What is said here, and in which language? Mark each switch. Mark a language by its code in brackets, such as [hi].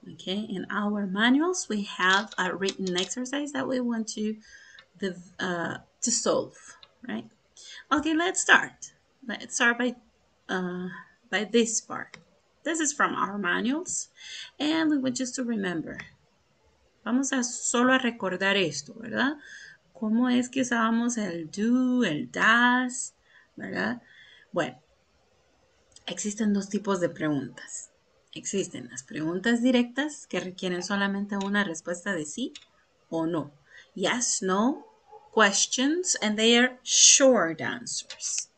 [en] Okay, in our manuals, we have a written exercise that we want to solve, right? Okay, let's start. Let's start by this part. This is from our manuals, and we want just to remember. [es] Vamos a solo a recordar esto, ¿verdad? ¿Cómo es que usábamos el do, el does, ¿verdad? Bueno, existen dos tipos de preguntas. Existen las preguntas directas que requieren solamente una respuesta de sí o no. [en] Yes, no, questions, and they are short answers.